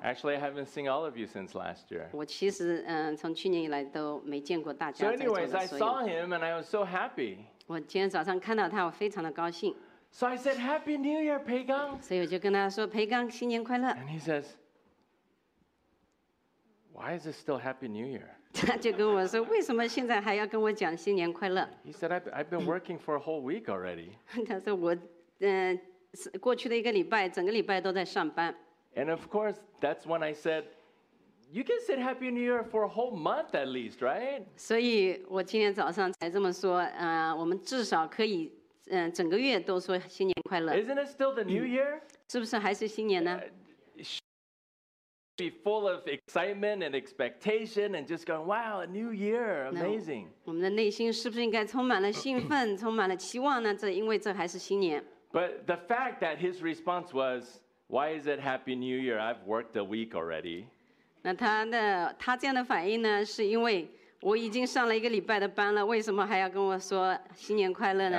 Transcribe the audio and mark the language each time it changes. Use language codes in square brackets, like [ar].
[en] Actually, I haven't seen all of you since last year. [zh] 我其实从去年以来都没见过大家在座的所有。 [en] So anyways, I saw him and I was so happy. [zh] 我今天早上看到他，我非常的高兴。 [en] So I said, Happy New Year, Pei Gang. [zh] 所以我就跟他说，裴刚，新年快乐。 [en] And he says, Why is it still Happy New Year? [zh] 他就跟我说，为什么现在还要跟我讲新年快乐？ [en] He said, I've been working for a whole week already. [zh] 他说我过去的一个礼拜，整个礼拜都在上班。 [en] And of course, that's when I said, you can say Happy New Year for a whole month at least, right? [zh] 所以我今天早上才这么说，我们至少可以整个月都说新年快乐。 [en] Isn't it still the New Year? [zh] 是不是还是新年呢？ [en] Be full of excitement and expectation and just going, wow, a new year, amazing. [zh] No, 我们的内心是不是应该充满了兴奋，充满了期望呢？这因为这还是新年。 [en] But the fact that his response was, why is it Happy New Year? I've worked a week already. [zh] 那他这样的反应呢，是因为我已经上了一个礼拜的班了，为什么还要跟我说新年快乐呢？